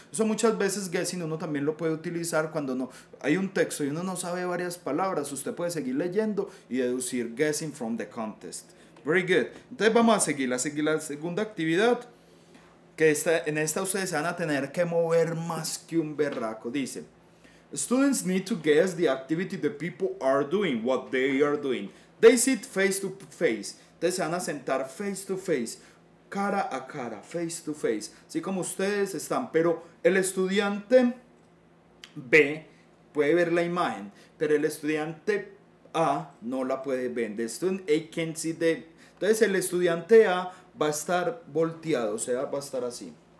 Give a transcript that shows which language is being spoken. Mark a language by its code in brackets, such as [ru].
[es] Eso muchas veces guessing uno también lo puede utilizar cuando no hay un texto y uno no sabe varias palabras. Usted puede seguir leyendo y deducir [en] guessing from the context. Very good. [es] Entonces vamos a seguir. La segunda actividad. Que está, en esta ustedes van a tener que mover más que un berraco. [en] Dice, students need to guess the activity the people are doing, what they are doing. They sit face to face. [es] Entonces se van a sentar [en] face to face. [es] Cara a cara, [en] face to face, [es] así como ustedes están, pero el estudiante B puede ver la imagen, pero el estudiante A no la puede ver. [en] The student A can't see the... [es] Entonces el estudiante A va a estar volteado, o sea, va a estar así.